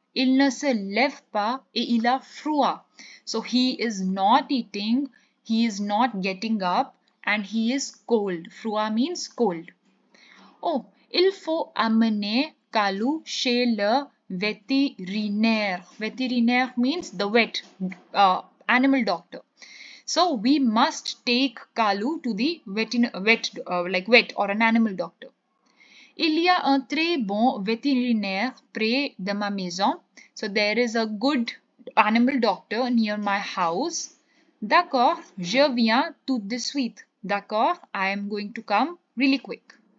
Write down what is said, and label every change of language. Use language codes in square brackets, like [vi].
[fr] Il ne se lève pas et il a froid. [en] So he is not eating. He is not getting up and he is cold. Froid means cold. [fr] Oh, il faut amener Kalu chez le vétérinaire. [en] Vétérinaire means the vet, animal doctor. So we must take Kalu to the vet or an animal doctor. [fr] Il y a un très bon vétérinaire près de ma maison. [en] So there is a good animal doctor near my house. [fr] D'accord, je viens tout de suite. D'accord, [en] I am going to come really quick.